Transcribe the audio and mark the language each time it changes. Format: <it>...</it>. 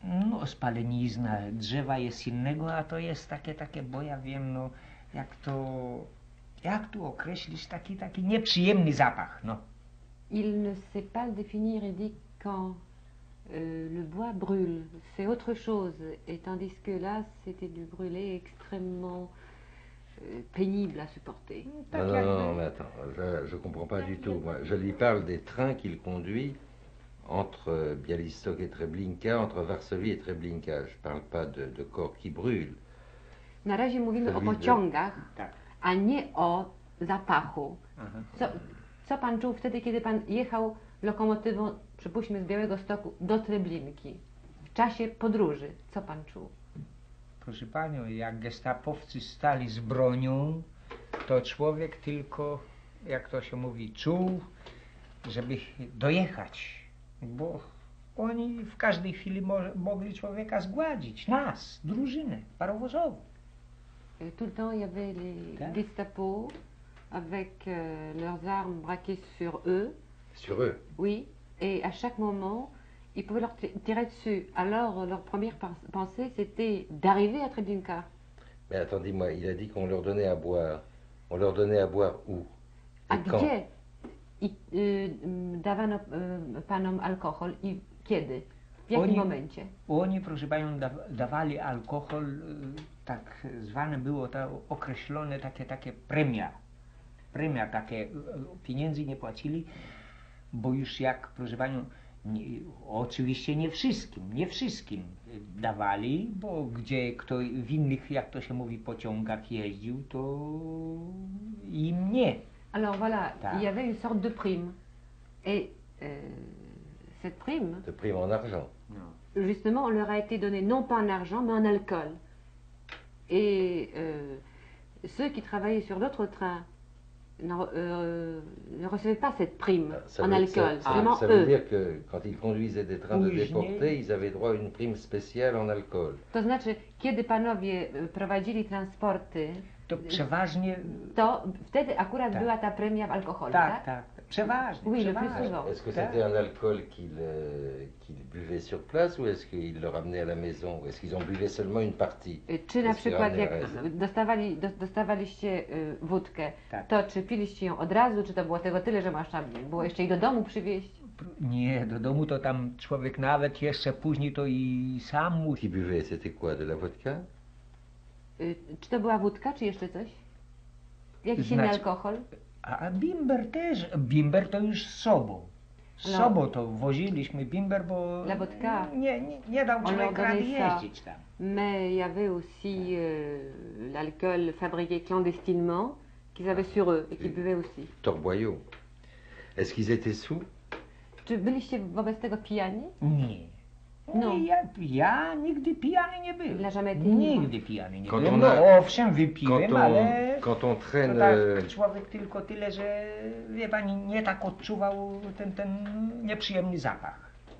<pl>No, spalenizna. Drzewa jest innego, a to jest takie, bo ja wiem, no, jak to... Jak tu określić taki nieprzyjemny zapach, no.</pl> <fr>Il ne sait pas le définir, il dit quand le bois brûle, c'est autre chose. Et tandis que là, c'était du brûlé extrêmement... pénible à supporter. Non, mais attends, je comprends pas du tout. Moi, je lui parle des trains qu'il conduit entre Bialystok et Treblinka, entre Varsovie et Treblinka. Je parle pas de corps qui brûle.</fr> <pl>Na razie mówimy o pociągach, a nie o zapachu. Co pan czuł wtedy, kiedy pan jechał lokomotywą, przypuśćmy, z Białegostoku do Treblinki? W czasie podróży, co pan czuł? Proszę panią, jak gestapowcy stali z bronią, to człowiek tylko, jak to się mówi, czuł, żeby dojechać. Bo oni w każdej chwili mogli człowieka zgładzić. Nas, drużynę, parowozową.</pl> <fr>Tout le temps, il y avait les gestapo avec leurs armes braquées sur eux. Sur eux? Oui, et à chaque moment, ils pouvaient leur tirer dessus. Alors, leur première pensée, c'était d'arriver à Treblinka. Mais attendez-moi, il a dit qu'on leur donnait à boire. On leur donnait à boire où?</fr> <pl>À gdzie? Dawano panom alkohol i kiedy? W jakim momencie? Oni, proszę panią, dawali alkohol, tak zwane było to określone takie premia. Premia takie, pieniędzy nie płacili, bo już jak, proszę panią, nie, oczywiście nie wszystkim dawali, bo gdzie kto w innych, jak to się mówi, pociągach jeździł, to im nie.</pl> <fr>Alors voilà, il y avait une sorte de prime. Et cette prime... De prime en argent. Non. Justement, on leur a été donné non pas en argent, mais en alcool. Et ceux qui travaillaient sur d'autres trains, ne recevaient pas cette prime en alcool, seulement eux. Ça veut dire que quand ils conduisaient des trains de déportés, ils avaient droit à une prime spéciale en alcool.</fr> <pl>To znaczy, kiedy panowie prowadzili transporty, to przeważnie... To wtedy akurat tak. Była ta premia w alkoholu, tak? Tak, przeważnie.</pl> <fr>Oui, le plus souvent. Est-ce que c'était un alcool qu'ils buvaient sur place, ou est-ce qu'ils le ramenaient à la maison, ou est-ce qu'ils ont buvaient seulement une partie?</fr> <pl>Czy na przykład, jak dostawaliście wódkę, tak, to czy piliście ją od razu, czy to było tego tyle, że masz tam, było jeszcze i do domu przywieźć? Nie, do domu to tam człowiek nawet jeszcze później to i sam musi.</pl> <fr>Qui buvait, c'était quoi, de la vodka?</fr> <pl>Czy to była wódka, czy jeszcze coś? Jakiś inny alkohol? A bimber też. Bimber to już z sobą. Z sobą to woziliśmy bimber, bo...</pl> <fr>La vodka.</fr> <pl>Nie dał człowiek rady jeździć tam.</pl> <fr>Mais il y avait aussi l'alcool fabriqué clandestinement qu'ils avaient sur eux et qu'ils buvaient aussi. Torboyo. Est-ce qu'ils étaient sous?</fr> <pl>Czy byliście wobec tego pijani? Nie. No. Ja nigdy pijany nie byłem. Nigdy pijany nie</pl> <fr>quand</fr> <pl>byłem.</pl> <fr>On a,</fr> <pl>no, owszem, wypiłem,</pl> <fr>quand</fr> <pl>ale...</pl> <fr>Quand on traîne,</fr> <pl>człowiek tylko tyle, że wie pani, nie tak odczuwał ten nieprzyjemny zapach.</pl>